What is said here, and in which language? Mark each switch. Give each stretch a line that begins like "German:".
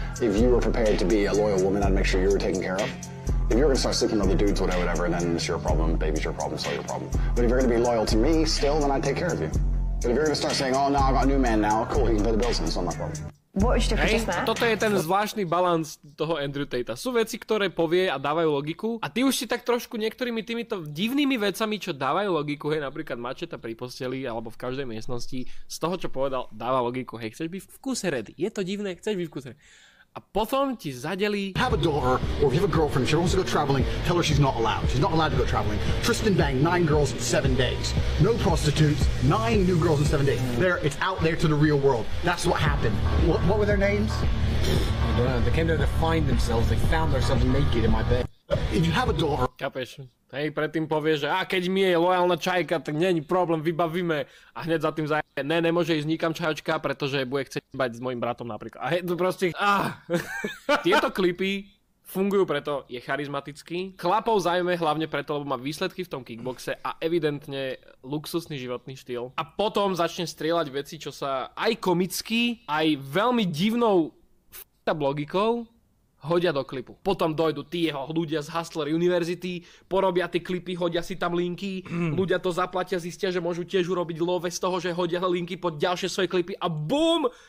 English: If you were prepared to be a loyal woman, I'd make sure you were taken care of. If you're going to start sleeping with other dudes, whatever, then it's your problem. Baby's your problem, so your problem. But if you're going to be loyal to me still, then I'd take care of you. But if you're going to start saying, oh, no, I've got a new man now, cool, he can pay the bills, and it's not my problem.
Slovak: Hej, toto je ten zvláštny balans toho Andrew Tatea. Sú veci, ktoré povie a dávajú logiku. A ty už si tak trošku niektorými týmito divnými vecami, čo dávajú logiku, hej, napríklad mačeta pri posteli alebo v každej miestnosti, z toho, čo povedal, dáva logiku. Hej, chceš byť v kuse ready. Je to divné, chceš byť v kuse ready. A potom ti zadeli...
English: Have a daughter, or if you have a girlfriend, if she wants to go traveling, tell her she's not allowed. She's not allowed to go traveling. Tristan Bang, 9 girls in 7 days. No prostitutes, 9 new girls in 7 days. There, it's out there to the real world. That's what happened. What were their names? I don't know. They came there to find themselves. They found themselves naked in my bed. If you have a daughter...
Slovak: Kapeš? Hej, predtým povie, že a keď mi je lojálna čajka, tak neni problém, vybavíme. A hneď za tým zajebe, ne, nemôže ísť nikam čajočka, pretože bude chcieť bať s mojim bratom napríklad. A hej, to proste, ah. Tieto klipy fungujú preto, je charizmatický. Chlapov zaujíme hlavne preto, lebo má výsledky v tom kickboxe a evidentne luxusný životný štýl. A potom začne strieľať veci, čo sa aj komicky, aj veľmi divnou f***ab logikou, hodia do klipu. Potom dojdu tí jeho ľudia z Hustler University, porobia tie klipy, hodia si tam linky, ľudia to zaplatia, zistia, že môžu tiež urobiť love z toho, že hodia linky pod ďalšie svoje klipy a BOOM!